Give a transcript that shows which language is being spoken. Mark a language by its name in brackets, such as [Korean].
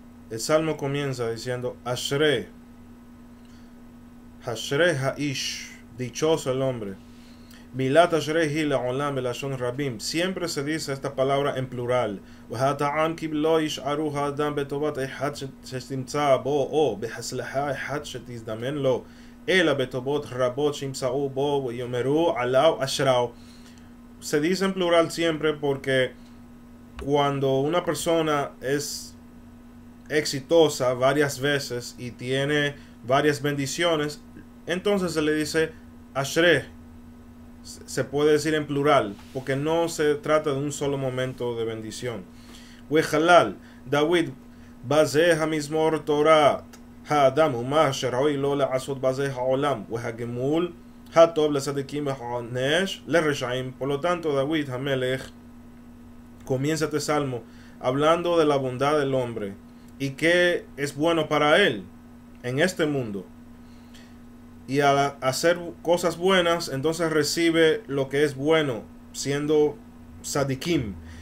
[Spanish] El salmo comienza diciendo: [Hebrew] Ashre, Hashre Ha'ish, [Spanish] dichoso el hombre. [Hebrew] Milat Ashre Hi La'olam Belashon Rabim. [Spanish] Siempre se dice esta palabra en plural. [Hebrew] והטעם כי לא ישארו האדם בטובת אחד שתמצא בו או בהצלחה אחד שתזדמן לו אלא בטובות רבות שימצאו בו ויאמרו עליו אשראו. [Spanish] Se dice en plural siempre porque cuando una persona es exitosa varias veces y tiene varias bendiciones, entonces se le dice ashre. Se puede decir en plural porque no se trata de un solo momento de bendición. [Hebrew] וחלל דוד בזה המזמור תורת האדם ומה שראוי לו לעשות בזה העולם והגמול הטוב לצדיקים והעונש לרשעים. [Spanish] Por lo tanto, David, המלך, comienza este salmo hablando de la bondad del hombre y que es bueno para él en este mundo. Y al hacer cosas buenas, entonces recibe lo que es bueno siendo tzadikim.